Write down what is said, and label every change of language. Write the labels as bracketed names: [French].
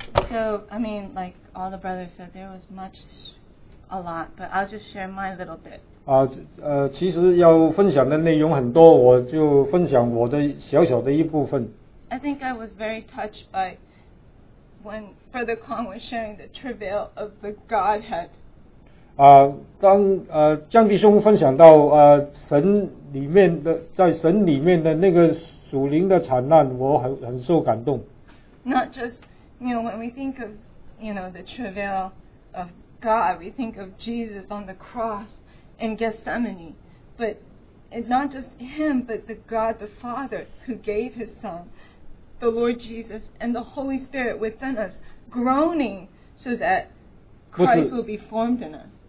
[English] So, I mean, like all the brothers said, there was a lot, but I'll just share my little bit. [Chinese] 其实要分享的内容很多，我就分享我的小小的一部分。 [English] I think I was very touched by when Brother Kwan was sharing the travail of the Godhead. [Chinese] 当江弟兄分享到神里面的在神里面的那个属灵的惨难，我很受感动。 [English] Not just, you know, when we think of you know, the travail of God. We think of Jesus on the cross in Gethsemane. But it's not just him, but the God the Father who gave his Son, the Lord Jesus, and the Holy Spirit within us, groaning so that Christ will be formed in us.